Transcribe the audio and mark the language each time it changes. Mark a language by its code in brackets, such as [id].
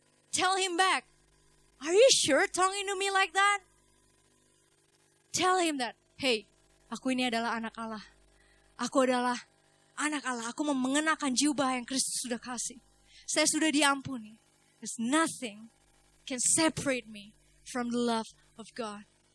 [en] Tell him back, "Are you sure talking to me like that?" Tell him that, [id] "Hey, aku ini adalah anak Allah. Aku adalah anak Allah. Aku mengenakan jubah yang Kristus sudah kasih. Saya sudah diampuni. [en] There's nothing can separate me from the love of God."